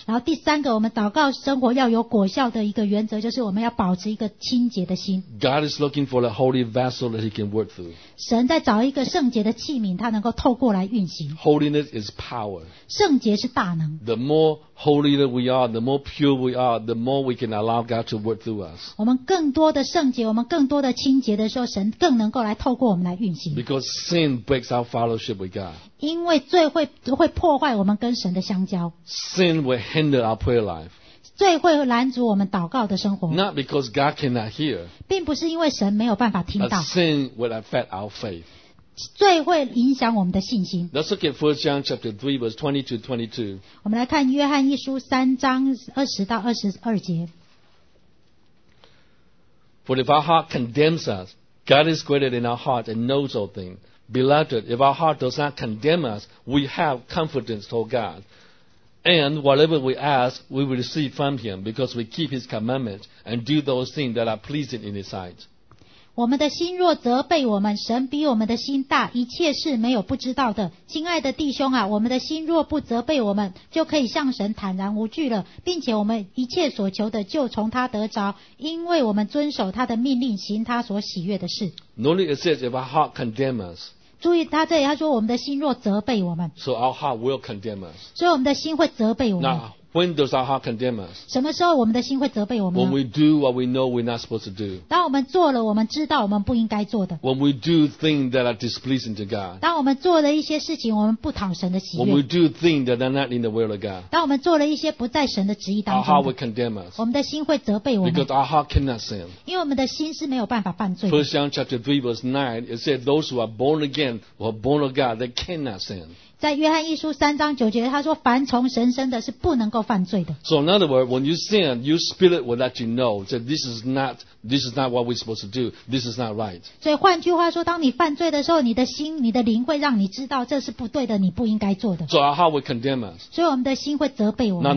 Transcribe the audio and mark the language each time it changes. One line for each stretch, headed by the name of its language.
Chinese: 然后第三个我们祷告生活要有果效的一个原则，就是我们要保持一个清洁的心。
English: God is looking for a holy vessel that he can work through.
Chinese: 神在找一个圣洁的器皿，他能够透过来运行。
English: Holiness is power.
Chinese: 圣洁是大能。
English: The more holy that we are, the more pure we are, the more we can allow God to work through us.
Chinese: 我们更多的圣洁，我们更多的清洁的时候，神更能够来透过我们来运行。
English: Because sin breaks our fellowship with God.
Chinese: 因为罪会破坏我们跟神的相交。
English: Sin will hinder our prayer life.
Chinese: 罪会拦阻我们祷告的生活。
English: Not because God cannot hear.
Chinese: 并不是因为神没有办法听到。
English: But sin will affect our faith.
Chinese: 罪会影响我们的信心。
English: Let's look at 1 John chapter 3 verse 20-22.
Chinese: 我们来看约翰一书三章二十到二十二节。
English: For if our heart condemns us, God is greater than our heart and knows all things. Beloved, if our heart does not condemn us, we have confidence toward God. And whatever we ask, we will receive from Him because we keep His commandments and do those things that are pleasing in His sight.
Chinese: 我们的心若责备我们，神比我们的心大，一切事没有不知道的。亲爱的弟兄啊，我们的心若不责备我们，就可以向神坦然无惧了，并且我们一切所求的就从他得着，因为我们遵守他的命令，行他所喜悦的事。
English: Notice it says if our heart condemns us.
Chinese: 注意他这里他说我们的心若责备我们。
English: So our heart will condemn us.
Chinese: 所以我们的心会责备我们。
English: When does our heart condemn us?
Chinese: 什么时候我们的心会责备我们？
English: When we do what we know we're not supposed to do.
Chinese: 当我们做了我们知道我们不应该做的。
English: When we do things that are displeasing to God.
Chinese: 当我们做了一些事情我们不讨神的喜悦。
English: When we do things that are not in the will of God.
Chinese: 当我们做了一些不在神的旨意当中的。
English: Our heart will condemn us.
Chinese: 我们的心会责备我们。
English: Because our heart cannot sin.
Chinese: 因为我们的心是没有办法犯罪的。
English: First John chapter 3 verse 9, it said those who are born again or born of God, they cannot sin.
Chinese: 在约翰一书三章九节他说凡从神生的是不能够犯罪的。
English: So in other words, when you sin, your spirit will let you know that this is not what we're supposed to do. This is not right.
Chinese: 所以换句话说当你犯罪的时候你的心你的灵会让你知道这是不对的你不应该做的。
English: So our heart will condemn us.
Chinese: 所以我们的心会责备我们。